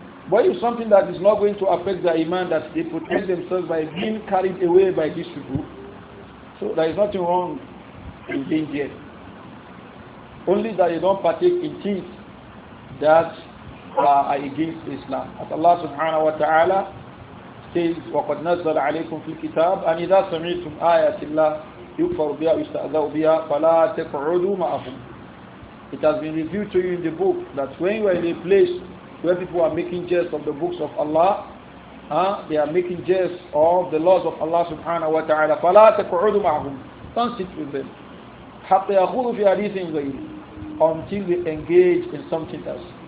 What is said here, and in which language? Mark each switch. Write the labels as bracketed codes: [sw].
[en] But if something that is not going to affect their iman, that they protect themselves by being carried away by these people, so there is nothing wrong in being there. Only that they don't partake in things that are against Islam. As Allah subhanahu wa ta'ala says, [ar] وَقَدْ نَزَّلَ عَلَيْكُمْ فِي الْكِتَابِ أَنْ إِذَا سَمِعْتُمْ آيَةِ اللَّهِ يُكْفَرُ بِهَا وَيُسْتَأْذَوْ بِهَا فَلَا تَقْعُدُوا مَعَهُمْ. [en] It has been revealed to you in the book that when you are in a place where people are making jest of the books of Allah, they are making jest of the laws of Allah subhanahu wa ta'ala, [ar] فَلَا تَقْعُدُوا مَعَهُمْ. [en] Don't sit with them. [ar] حَتَّى يَقُولُوا فِي حَدِيثٍ غَيْرِهِ, [en] until they engage in something else.